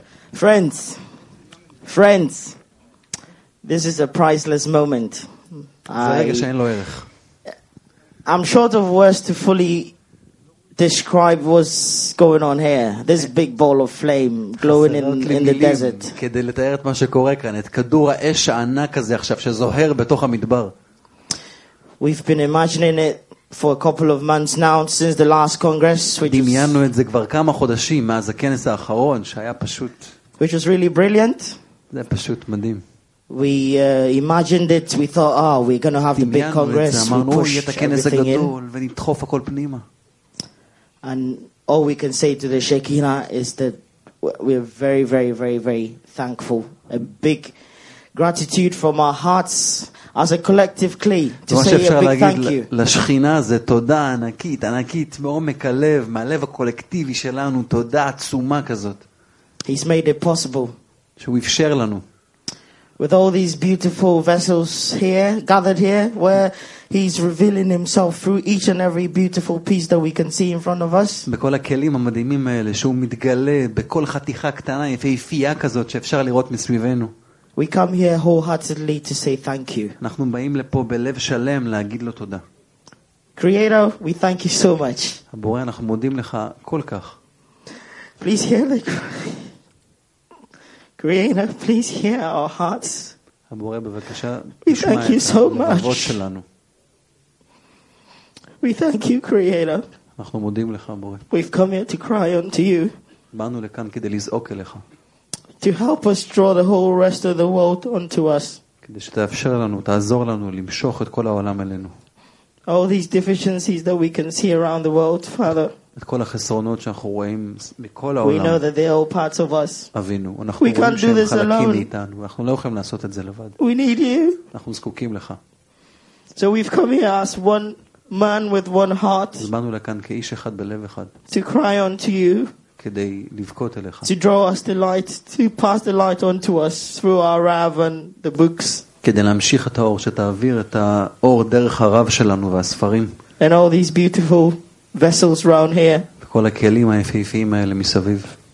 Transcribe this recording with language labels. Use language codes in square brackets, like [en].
[en] Friends, this is a priceless moment. I'm short of words to fully describe what's going on here. This big ball of flame glowing in the desert. [he] כדי לתאר את מה שקורה כאן, את כדור האש הענק הזה עכשיו שזוהר בתוך המדבר. [en] We've been imagining it for a couple of months now since the last congress. [he] דמיינו את זה כבר כמה חודשים מאז הכנס האחרון שהיה פשוט, [en] which was really brilliant. [he] זה פשוט מדהים. [en] We imagined it, we thought, oh, we're going to have the big congress, [he] אמרנו יהיה כנס גדול ונדחוף הכל פנימה. [en] And all we can say to the Shekinah is that we're very very very very thankful, a big gratitude from our hearts as a collective clay to say a big thank you. [he] לשכינה זה תודה ענקית, ענקית מעומק הלב, מהלב הקולקטיבי שלנו, תודה עצומה כזאת. [en] He's made it possible. [he] שהוא אפשר לנו. [en] With all these beautiful vessels here, gathered here, where he's revealing himself through each and every beautiful piece that we can see in front of us. [he] בכל הכלים המדהימים האלה, שהוא מתגלה בכל חתיכה קטנה, יפהפייה כזאת, שאפשר לראות מסביבנו. [en] We come here wholeheartedly to say thank you. [he] אנחנו באים לפה בלב שלם להגיד לו תודה. [en] Creator, we thank you so much. [he] הבורא, אנחנו מודים לך כל כך. [en] Please hear the Creator, please hear our hearts. [he] הבורא, בבקשה, [en] we thank you so much. [he] שלנו. [en] We thank you, Creator. [he] אנחנו מודים לך, הבורא. [en] We've come here to cry unto you. [he] באנו לכאן כדי לזעוק אליך. [en] To help us draw the whole rest of the world unto us. [he] כדי שתאפשר לנו, תעזור לנו למשוך את כל העולם אלינו. [en] All these deficiencies that we can see around the world, Father. [he] את כל החסרונות שאנחנו רואים מכל העולם. [en] We know that they are all parts of us. [he] אבינו, אנחנו רואים שהם חלקים מאיתנו. אנחנו לא יכולים לעשות את זה לבד. [en] We need you. [he] אנחנו זקוקים לך. [en] So we've come here as one man with one heart. [he] באנו לכאן כאיש אחד בלב אחד. [en] To cry unto you. [he] כדי לבכות אליך. [en] To draw us the light, to pass the light unto us through our rav and the books. [he] כדי להמשיך את האור, שתעביר את האור דרך הרב שלנו והספרים. [en] And all these beautiful vessels round here. [he] כל הכלים היפהפיים האלה מסביב.